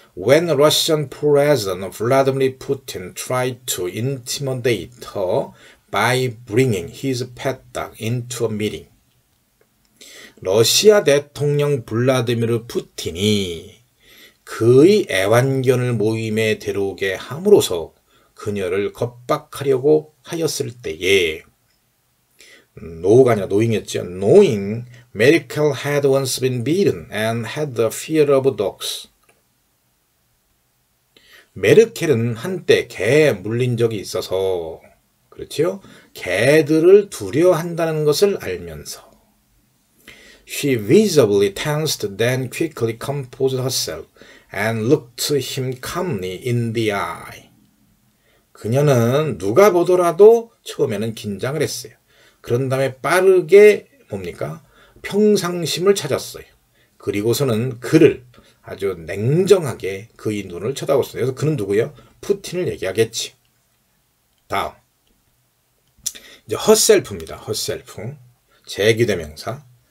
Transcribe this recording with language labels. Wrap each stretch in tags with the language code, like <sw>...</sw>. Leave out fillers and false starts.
<en>When Russian President Vladimir Putin tried to intimidate her by bringing his pet dog into a meeting.</en> <ko>러시아 대통령 블라디미르 푸틴이 그의 애완견을 모임에 데려오게 함으로써 그녀를 겁박하려고 하였을 때에 노가 아니라 노잉이었죠.</ko> <en>Knowing Merkel had once been beaten and had the fear of dogs.</en> <ko>메르켈은 한때 개에 물린 적이 있어서, 그렇지요? 개들을 두려워한다는 것을 알면서.</ko> <en>She visibly tensed, then quickly composed herself and looked him calmly in the eye.</en> <ko>그녀는 누가 보더라도 처음에는 긴장을 했어요. 그런 다음에 빠르게 뭡니까? 평상심을 찾았어요. 그리고서는 그를 아주 냉정하게 그의 눈을 쳐다봤어요. 그래서 그는 누구요? 푸틴을 얘기하겠지. 다음. 이제 허셀프입니다. 허셀프. 재기대명사.</ko>